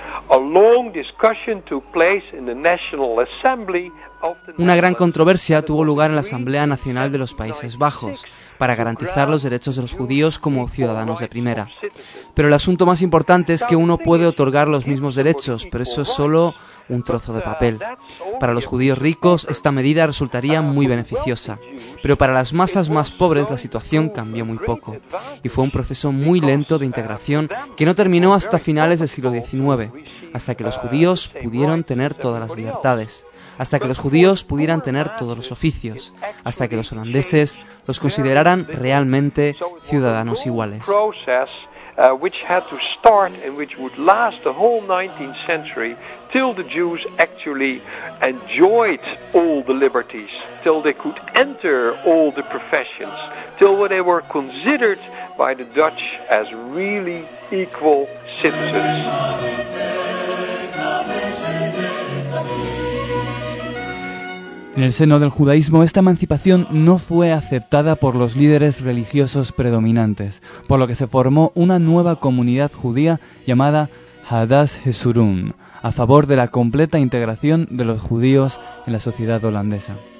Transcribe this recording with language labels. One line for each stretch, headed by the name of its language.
English: A long discussion took place in the National Assembly
Spanish: Una gran controversia tuvo lugar en la Asamblea Nacional de los Países Bajos para garantizar los derechos de los judíos como ciudadanos de primera. Pero el asunto más importante es que uno puede otorgar los mismos derechos, pero eso es solo un trozo de papel. Para los judíos ricos, esta medida resultaría muy beneficiosa. Pero para las masas más pobres, la situación cambió muy poco. Y fue un proceso muy lento de integración que no terminó hasta finales del siglo XIX, hasta que los judíos pudieron tener todas las libertades, hasta que los judíos pudieran tener todos los oficios, hasta que los holandeses los consideraran realmente ciudadanos iguales.
English: Which had to start and which would last the whole 19th century till the Jews actually enjoyed all the liberties, till they could enter all the professions, till they were considered by the Dutch as really equal citizens.
Spanish: En el seno del judaísmo, esta emancipación no fue aceptada por los líderes religiosos predominantes, por lo que se formó una nueva comunidad judía llamada Hadas Hesurum, a favor de la completa integración de los judíos en la sociedad holandesa.